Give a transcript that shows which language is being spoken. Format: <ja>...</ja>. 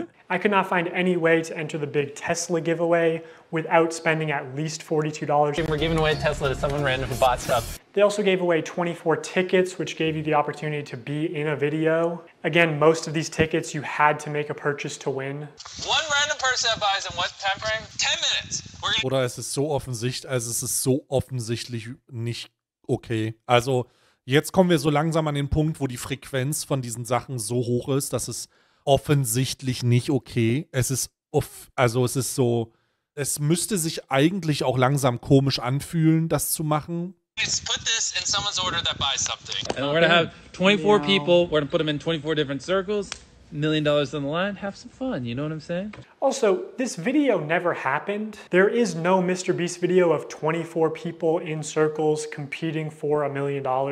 <en>I could not find any way to enter the big Tesla giveaway without spending at least $42. We're giving away a Tesla to someone random who bought stuff. They also gave away 24 tickets, which gave you the opportunity to be in a video. Again, most of these tickets, you had to make a purchase to win. One random person that buys in what time frame? 10 minutes.</en> <de>Oder es ist so offensichtlich, also es ist so offensichtlich nicht okay. Also jetzt kommen wir so langsam an den Punkt, wo die Frequenz von diesen Sachen so hoch ist, dass es offensichtlich nicht okay. Es ist es ist so, es müsste sich eigentlich auch langsam komisch anfühlen, das zu machen.</de> <en>Put this in someone's order that buys something. And we're gonna have 24 people, we're gonna put them in 24 different circles, $1 million on the line, have some fun, you know what I'm saying? Also, this video never happened. There is no Mr. Beast video of 24 people in circles competing for $1 million.</en>